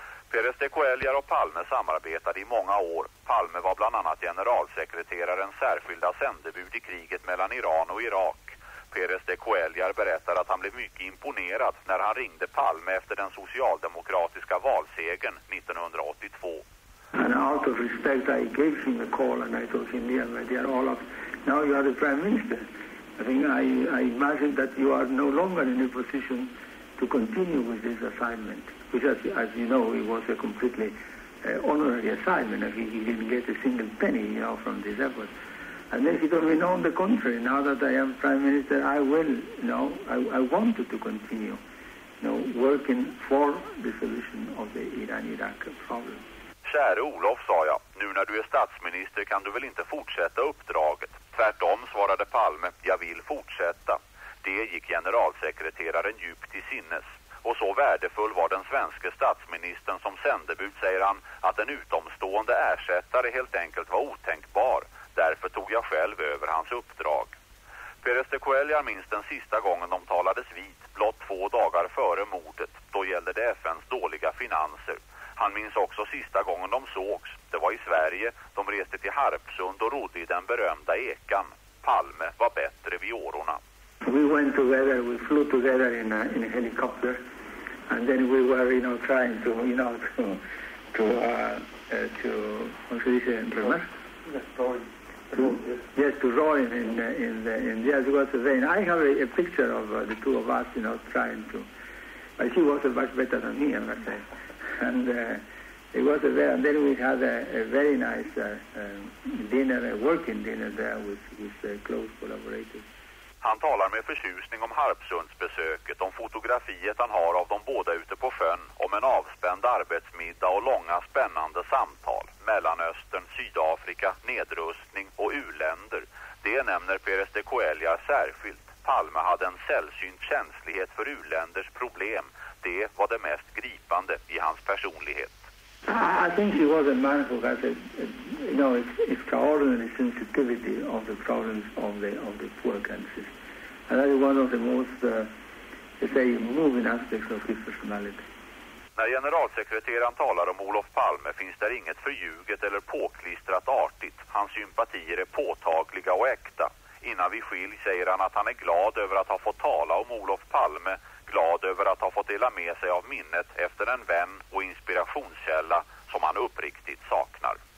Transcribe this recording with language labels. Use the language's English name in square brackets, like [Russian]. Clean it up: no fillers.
[Swedish] Pérez de Cuellar och Palme samarbetade i många år. Palme var bland annat generalsekreterarens särskilda sändebud i kriget mellan Iran och Irak. Pérez de Cuellar berättar att han blev mycket imponerad när han ringde Palme efter den socialdemokratiska valsegern 1982. [English] And out of respect I gave him a call and I told him, dear Olaf, now you are the prime minister. I think I imagine that you are no longer in a position to continue with this assignment. Which as you know, it was a completely honorary assignment. He didn't get a single penny, you know, from this effort. And then he told me, no, on the contrary, now that I am prime minister, I will, I wanted to continue, working for the solution of the Iran-Iraq problem. [Swedish] Käre Olof, sa jag, nu när du är statsminister kan du väl inte fortsätta uppdraget? Tvärtom, svarade Palme, jag vill fortsätta. Det gick generalsekreteraren djupt i sinnes. Och så värdefull var den svenska statsministern som sändebud, säger han, att en utomstående ersättare helt enkelt var otänkbar. Därför tog jag själv över hans uppdrag. Pérez de Cuellar minns den sista gången de talades vid, blott 2 dagar före mordet. Då gällde det FNs dåliga finanser. Han minns också sista gången de sågs. Det var i Sverige. De reste till Harpsund och rodde i den berömda ekan. Palme var bättre vid årorna. [English] We went together, we flew together in a helicopter. And then we were, trying to, to roll in the other was a vein. I have a picture of the two of us, trying to. But he was much better than me, I must say. And it was a very. And then we had a very nice dinner, a working dinner there with close collaborators. [Swedish] Han talar med förtjusning om Harpsundsbesöket, om fotografiet han har av de båda ute på sjön, om en avspänd arbetsmiddag och långa spännande samtal. Mellanöstern, Sydafrika, nedrustning och uländer. Det nämner Pérez de Cuellar särskilt. Palme hade en sällsynt känslighet för uländers problem. Det var det mest gripande i hans personlighet. [English] I think he was a man who had a no, it's extraordinary sensitivity of the problems of the poor countries, and that is one of the most, say, moving aspects of his personality. [Swedish] När generalsekreteraren talar om Olof Palme finns där inget förljuget eller påklistrat artigt. Hans sympatier är påtagliga och äkta. Innan vi skiljer säger han att han är glad över att ha fått tala om Olof Palme, glad över att ha fått dela med sig av minnet efter en vän och inspirationskälla som han uppriktigt saknar.